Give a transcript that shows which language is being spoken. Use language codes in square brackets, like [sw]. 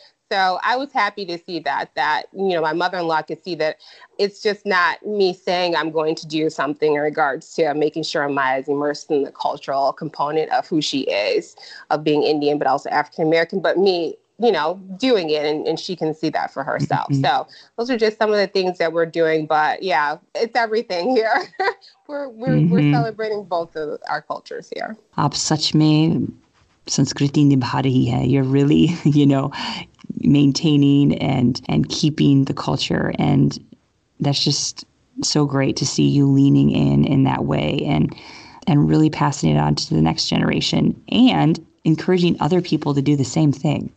[en] So I was happy to see that, you know, my mother-in-law could see that it's just not me saying I'm going to do something in regards to making sure Amaya is immersed in the cultural component of who she is, of being Indian, but also African-American, but me, you know, doing it, and she can see that for herself. Mm-hmm. So those are just some of the things that we're doing, but yeah, it's everything here. We're mm-hmm. we're celebrating both of our cultures here. [hi] आप सच में संस्कृति निभा रही है. [en] You're really, you know, maintaining and keeping the culture, and that's just so great to see you leaning in that way and really passing it on to the next generation and encouraging other people to do the same thing.